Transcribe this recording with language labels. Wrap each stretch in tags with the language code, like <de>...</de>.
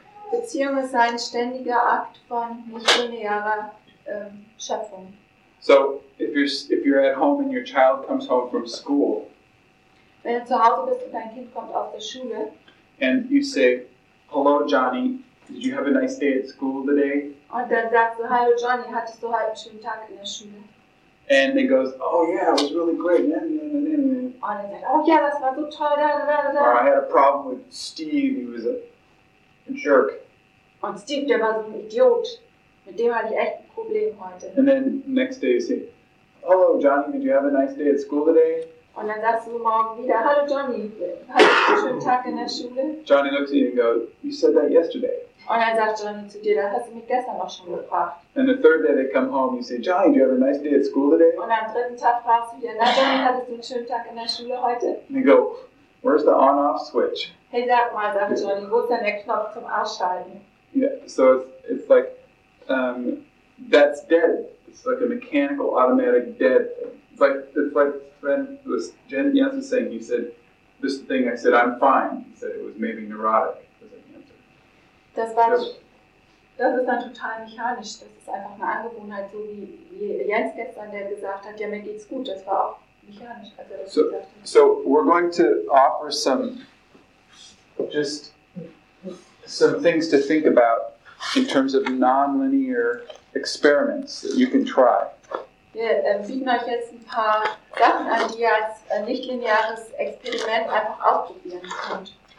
<de>Beziehung ist ein ständiger Akt von nicht-linearer Schöpfung.</de> <en>So, if you're at home and your child comes home from school,</en> <de>wenn du zu Hause bist und dein Kind kommt aus der Schule,</de> <en>and you say, "Hello, Johnny, did you have a nice day at school today?"</en> <de>Und dann sagst du, "Hallo, Johnny, hattest du heute einen schönen Tag in der Schule?"</de> <en>And it goes, "Oh yeah, it was really great." Oh yeah, that's not so toll. Da, da, da, da. Or I had a problem with Steve. He was a jerk.</en> <de>Und Steve, der war so ein Idiot. Mit dem hatte ich echt ein Problem heute.</de> <en>And then next day you say, "Hello, Johnny. Did you have a nice day at school today?"</en> <de>Und dann sagst du morgen wieder, "Hallo, Johnny. Hattest du einen schönen Tag in der Schule?"</de> <en>Johnny looks at you and goes, "You said that yesterday."</en> <de>Und dann sagt Johnny zu dir, "Da hast du mich gestern auch schon gebracht."</de> <en>And the third day they come home, you say, "Johnny, did you have a nice day at school today?"</en> <de>Und am dritten Tag fragst du wieder, "Na, Johnny, hattest du einen schönen Tag in der Schule heute?"</de> <en>And you go, "Where's the on-off switch?"</en> <de>Hey, sagt Johnny, wo ist denn der Knopf zum Ausschalten?</de> <en>Yeah, so it's like, that's dead. It's like a mechanical, automatic dead thing. It's like Jen Jens was saying, he said, this thing, I said, "I'm fine." He said it was maybe neurotic.</en> <de>Das ist dann total mechanisch. Das ist einfach eine Angewohnheit, so wie Jens gestern, der gesagt hat, ja, mir geht's gut. Das war auch mechanisch, als er das gesagt hat.</de> <en>So we're going to offer some things to think about in terms of non-linear experiments that you can try.</en> <de>Wir bieten euch jetzt ein paar Sachen an, die ihr als nicht-lineares Experiment einfach ausprobieren könnt.</de>